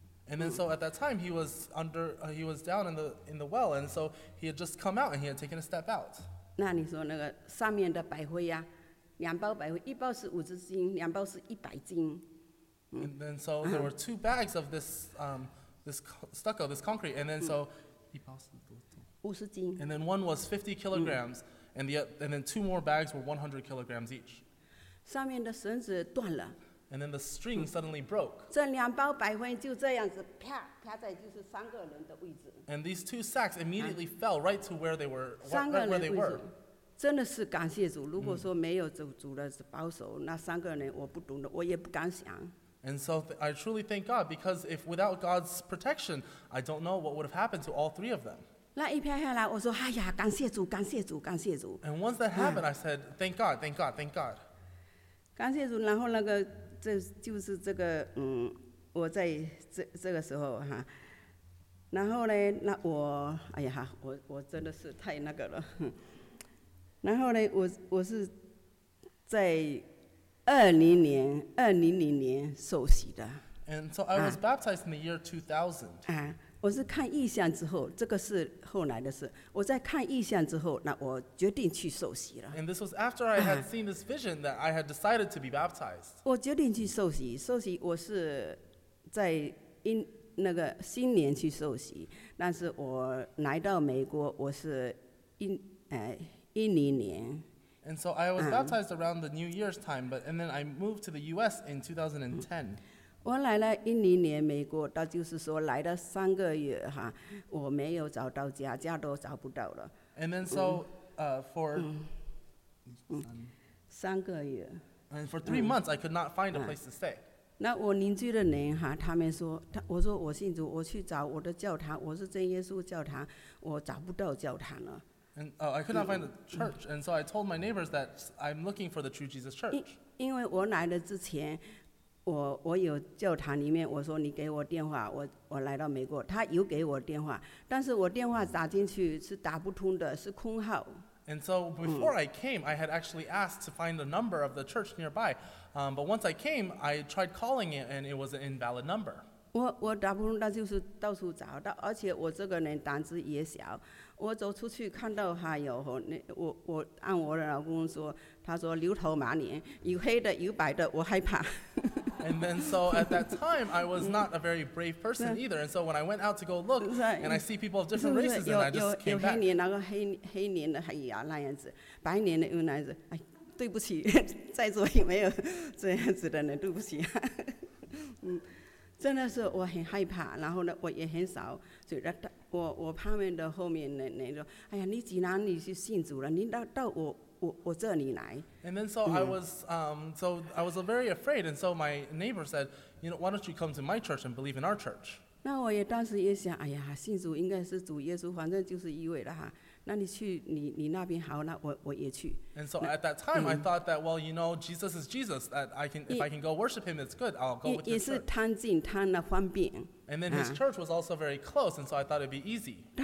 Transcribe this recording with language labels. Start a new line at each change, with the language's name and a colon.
English: And then so at that time he was under, he was down in the well, and so he had just come out and he had taken a step out.
Chinese: 那你说那个上面的白灰呀，两包白灰，一包是五十斤，两包是一百斤。
English: And then so there were two bags of this this stucco, this concrete, and then so
Chinese: 一包是多少？五十斤。
English: And then one was 50 kilograms, and then two more bags were 100 kilograms each.
Chinese: 上面的绳子断了。
English: And then the string suddenly broke.
Chinese: 这两包白灰就这样子啪在就是三个人的位置。
English: And these two sacks immediately fell right to where they were.
Chinese: 三个人的位置。真的是感谢主，如果说没有主的保守，那三个人我不懂的，我也不敢想。
English: And so I truly thank God because if without God's protection, I don't know what would have happened to all three of them.
Chinese: 那一飘下来，我说哎呀，感谢主，感谢主，感谢主。
English: And once that happened, I said, thank God, thank God, thank God.
Chinese: 感谢主，然后那个。这就是这个我在这个时候哈，然后呢，那我哎呀哈，我真的是太那个了。然后呢，我是在2000年受洗的。
English: And so I was baptized in the year 2000.
Chinese: 我是看异象之后，这个是后来的事。我在看异象之后，那我决定去受洗了。
English: And this was after I had seen this vision that I had decided to be baptized.
Chinese: 我决定去受洗，受洗我是在那个新年去受洗，但是我来到美国，我是2010年。
English: And so I was baptized around the New Year's time, but and then I moved to the U.S. in 2010.
Chinese: 我来了2010年美国，他就是说来了三个月哈，我没有找到家，家都找不到了。
English: And then so, for
Chinese: 三个月。
English: And for three months, I could not find a place to stay.
Chinese: 那我邻居的人哈，他们说，我说我信主，我去找我的教堂，我是真耶稣教堂，我找不到教堂了。
English: And I could not find the church, and so I told my neighbors that I'm looking for the True Jesus Church.
Chinese: 因为我来了之前。我有教堂里面，我说你给我电话，我来到美国，他有给我电话，但是我电话打进去是打不通的，是空号。
English: And so before I came, I had actually asked to find the number of the church nearby, but once I came, I tried calling it and it was an invalid number.
Chinese: 我打不通，那就是到处找到，而且我这个人胆子也小，我走出去看到还有我按我的老公说，他说牛头马脸，有黑的有白的，我害怕。
English: And then so at that time, I was not a very brave person either. And so when I went out to go look, and I see people of different races, and I just came back.
Chinese: 有黑年，然后黑年的黑呀那样子，白年的又那样子。哎，对不起，在座有没有这样子的呢？对不起。真的是我很害怕，然后呢，我也很少，所以我旁边的后面那人说，哎呀，你既然你是信主了，你到我我这里来。
English: And then so I was, so I was very afraid, and so my neighbor said, you know, why don't you come to my church and believe in our church?
Chinese: 那我也当时也想，哎呀，信主应该是主耶稣，反正就是一位的哈。那你去你那边好，那我也去。
English: And so at that time, I thought that, well, you know, Jesus is Jesus. That I can, if I can go worship him, it's good. I'll go with his church.
Chinese: 也是贪近贪的方便。
English: And then his church was also very close, and so I thought it'd be easy.